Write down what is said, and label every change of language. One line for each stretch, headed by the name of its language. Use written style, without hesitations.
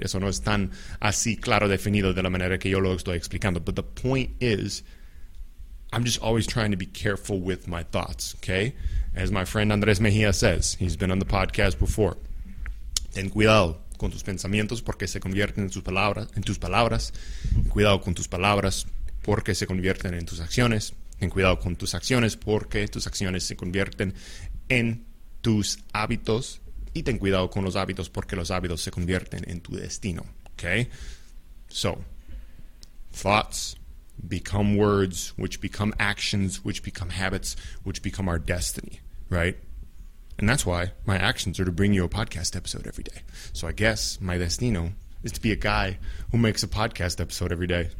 Spanish: Eso no es tan así claro definido de la manera que yo lo estoy explicando.
English: But the point is, I'm just always trying to be careful with my thoughts, okay? As my friend Andres Mejia says, he's been on the podcast before.
Spanish: Ten cuidado con tus pensamientos porque se convierten en tus palabras. Cuidado con tus palabras porque se convierten en tus acciones. Ten cuidado con tus acciones porque tus acciones se convierten en tus hábitos. Y ten cuidado con los hábitos porque los hábitos se convierten en tu destino, okay?
English: So, thoughts become words, which become actions, which become habits, which become our destiny, right? And that's why my actions are to bring you a podcast episode every day. So I guess my destino is to be a guy who makes a podcast episode every day.